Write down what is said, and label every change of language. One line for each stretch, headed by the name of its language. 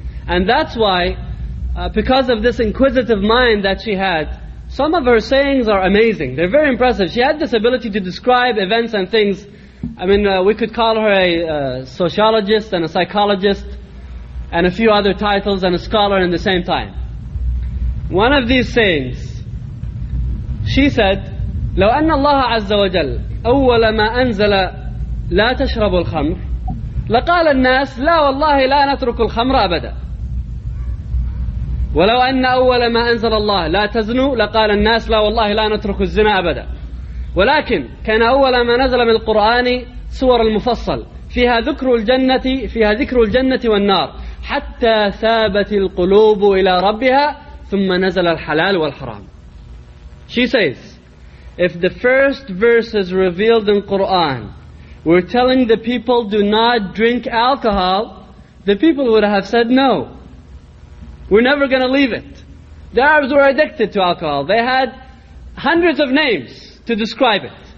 English: And that's why, because of this inquisitive mind that she had, some of her sayings are amazing. They're very impressive. She had this ability to describe events and things. I mean, we could call her a sociologist and a psychologist and a few other titles and a scholar in the same time. One of these sayings, she said,
Arabic: لو أن الله عز وجل أول ما أنزل لا تشرب الخمر لقال الناس لا والله لا نترك الخمر أبدا. ولو أن أول ما أنزل الله لا تزنوا لقال الناس لا والله لا نترك الزنا أبدا. ولكن كان أول ما نزل من القرآن سور المفصل فيها ذكر الجنة فيها ذكر الجنة والنار حتى ثابت القلوب إلى ربها ثم نزل الحلال والحرام.
English: She says, if the first verses revealed in Quran were telling the people do not drink alcohol, the people would have said no. We're never going to leave it. The Arabs were addicted to alcohol. They had hundreds of names to describe it.